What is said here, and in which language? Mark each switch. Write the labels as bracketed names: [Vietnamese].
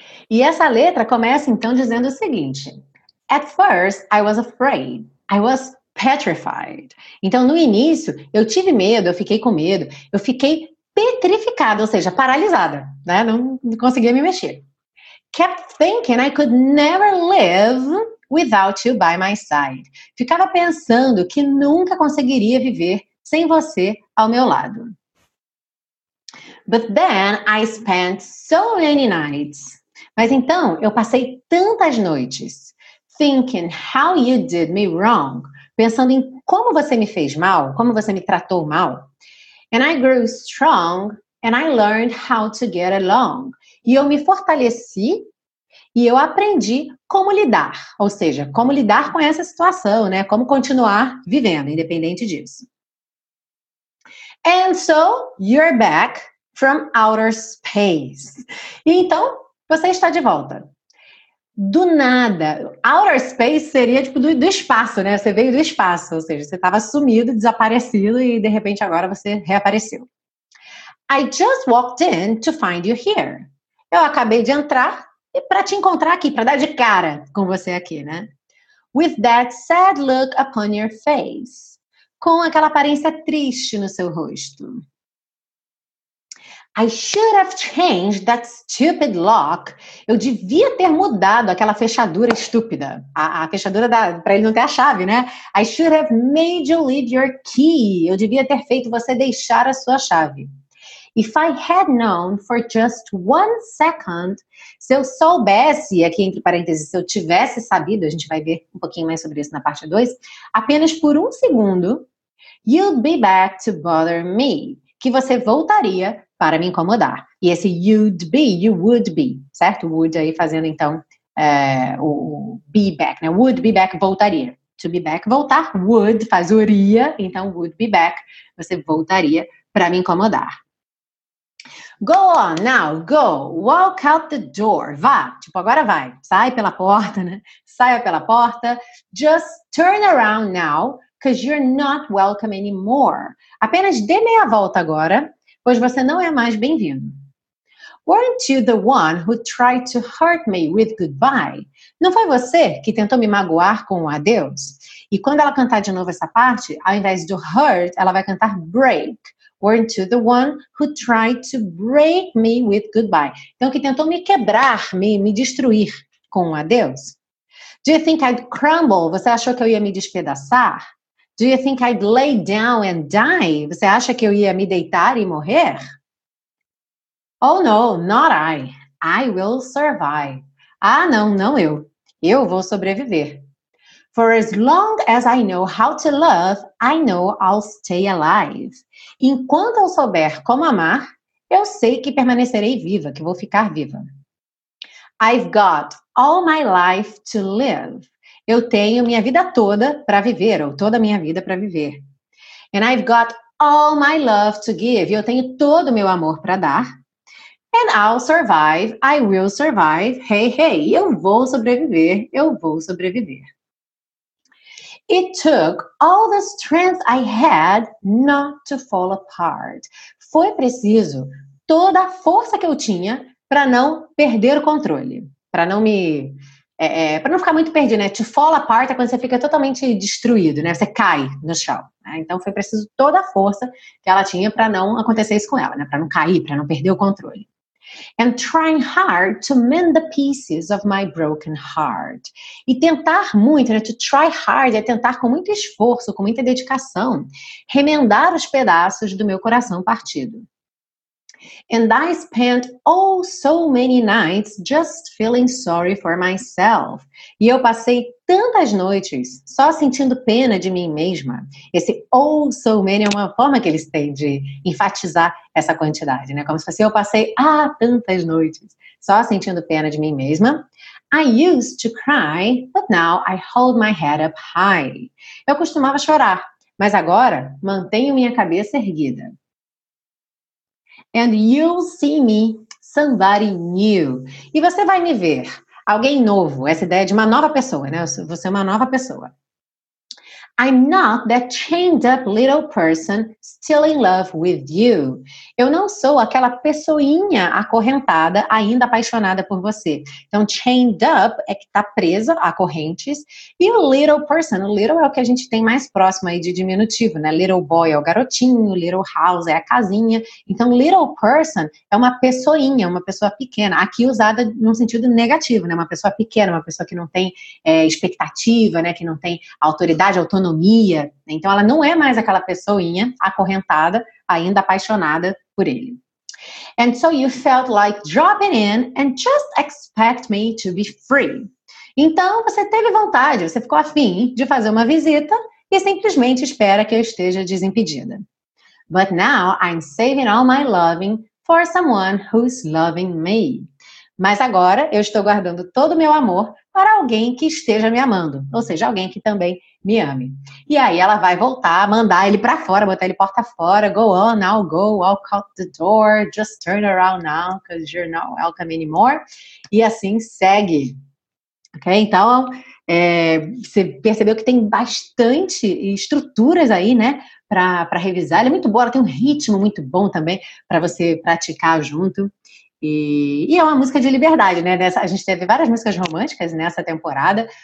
[Portuguese] E essa letra começa, então, dizendo o seguinte. [English] At first, I was afraid. I was petrified. [Portuguese] Então, no início, eu tive medo, eu fiquei com medo. Eu fiquei petrificada, ou seja, paralisada, né? Não conseguia me mexer. [English] Kept thinking I could never live without you by my side. [Portuguese] Ficava pensando que nunca conseguiria viver sem você ao meu lado. [English] But then I spent so many nights. [Portuguese] Mas então, eu passei tantas noites [English] thinking how you did me wrong, [Portuguese] pensando em como você me fez mal, como você me tratou mal. [English] And I grew strong and I learned how to get along. [Portuguese] E eu me fortaleci e eu aprendi como lidar, ou seja, como lidar com essa situação, né? Como continuar vivendo, independente disso. [English] And so, you're back from outer space. [Portuguese] E então, você está de volta. Do nada. Outer space seria tipo do espaço, né? Você veio do espaço. Ou seja, você estava sumido, desaparecido e de repente agora você reapareceu. [English] I just walked in to find you here. [Portuguese] Eu acabei de entrar e para te encontrar aqui, para dar de cara com você aqui, né? [English] With that sad look upon your face. [Portuguese] Com aquela aparência triste no seu rosto. [English] I should have changed that stupid lock. [Portuguese] Eu devia ter mudado aquela fechadura estúpida. A fechadura para ele não ter a chave, né? [English] I should have made you leave your key. [Portuguese] Eu devia ter feito você deixar a sua chave. [English] If I had known for just 1 second, [Portuguese] se eu soubesse, aqui entre parênteses, se eu tivesse sabido, a gente vai ver um pouquinho mais sobre isso na parte 2, apenas por 1 segundo, [English] you'd be back to bother me. [Portuguese] Que você voltaria para me incomodar. E esse you would be, certo? Would aí fazendo, então, o be back, né? Would be back, voltaria. To be back, voltar. Would faz uria, então would be back. Você voltaria para me incomodar. [English] Go on now, go, walk out the door. [Portuguese] Vá, tipo, agora vai. Sai pela porta, né? Saia pela porta. [English] Just turn around now, because you're not welcome anymore. [Portuguese] Apenas dê meia volta agora, pois você não é mais bem-vindo. [English] Weren't you the one who tried to hurt me with goodbye? [Portuguese] Não foi você que tentou me magoar com um adeus? E quando ela cantar de novo essa parte, ao invés do hurt, ela vai cantar break. [English] Weren't you the one who tried to break me with goodbye? [Portuguese] Então, que tentou me quebrar, me destruir com um adeus? [English] Do you think I'd crumble? [Portuguese] Você achou que eu ia me despedaçar? [English] Do you think I'd lay down and die? [Portuguese] Você acha que eu ia me deitar e morrer? [English] Oh, no, not I. I will survive. [Portuguese] Ah, não, não eu. Eu vou sobreviver. [English] For as long as I know how to love, I know I'll stay alive. [Portuguese] Enquanto eu souber como amar, eu sei que permanecerei viva, que vou ficar viva. [English] I've got all my life to live. [Portuguese] Eu tenho minha vida toda para viver, ou toda a minha vida para viver. [English] And I've got all my love to give. [Portuguese] Eu tenho todo o meu amor para dar. [English] And I'll survive, I will survive, hey, hey, [Portuguese] eu vou sobreviver, eu vou sobreviver. [English] It took all the strength I had not to fall apart. [Portuguese] Foi preciso toda a força que eu tinha para não perder o controle, para não me, para não ficar muito perdido, né? To fall apart é quando você fica totalmente destruído, né? Você cai no chão, né? Então foi preciso toda a força que ela tinha para não acontecer isso com ela, né? Para não cair, para não perder o controle. [English] And trying hard to mend the pieces of my broken heart. [Portuguese] E tentar muito, né? To try hard é tentar com muito esforço, com muita dedicação, remendar os pedaços do meu coração partido. [English] And I spent oh so many nights just feeling sorry for myself. [Portuguese] E eu passei tantas noites só sentindo pena de mim mesma. Esse oh so many é uma forma que eles têm de enfatizar essa quantidade, né? Como se fosse eu passei tantas noites só sentindo pena de mim mesma. [English] I used to cry, but now I hold my head up high. [Portuguese] Eu costumava chorar, mas agora mantenho minha cabeça erguida. [English] And you'll see me, somebody new. [Portuguese] E você vai me ver, alguém novo, essa ideia de uma nova pessoa, né? Você é uma nova pessoa. [English] I'm not that chained up little person still in love with you. [Portuguese] Eu não sou aquela pessoinha acorrentada, ainda apaixonada por você. Então, chained up é que tá presa a correntes. E o little person, o little é o que a gente tem mais próximo aí de diminutivo, né? Little boy é o garotinho, little house é a casinha. Então, little person é uma pessoinha, uma pessoa pequena. Aqui usada num sentido negativo, né? Uma pessoa pequena, uma pessoa que não tem expectativa, né? Que não tem autoridade, autonomia. Então, ela não é mais aquela pessoinha acorrentada, ainda apaixonada por ele. [English] And so you felt like dropping in and just expect me to be free. [Portuguese] Então, você teve vontade, você ficou afim de fazer uma visita e simplesmente espera que eu esteja desimpedida. [English] But now I'm saving all my loving for someone who's loving me. [Portuguese] Mas agora eu estou guardando todo o meu amor para alguém que esteja me amando, ou seja, alguém que também me ame. E aí ela vai voltar, mandar ele para fora, botar ele porta fora. [English] Go on now, go, walk out the door, just turn around now, because you're not welcome anymore. [Portuguese] E assim segue. Ok? Então, você percebeu que tem bastante estruturas aí, né? Para revisar. Ela é muito boa, ela tem um ritmo muito bom também para você praticar junto. E é uma música de liberdade, né? A gente teve várias músicas românticas nessa temporada.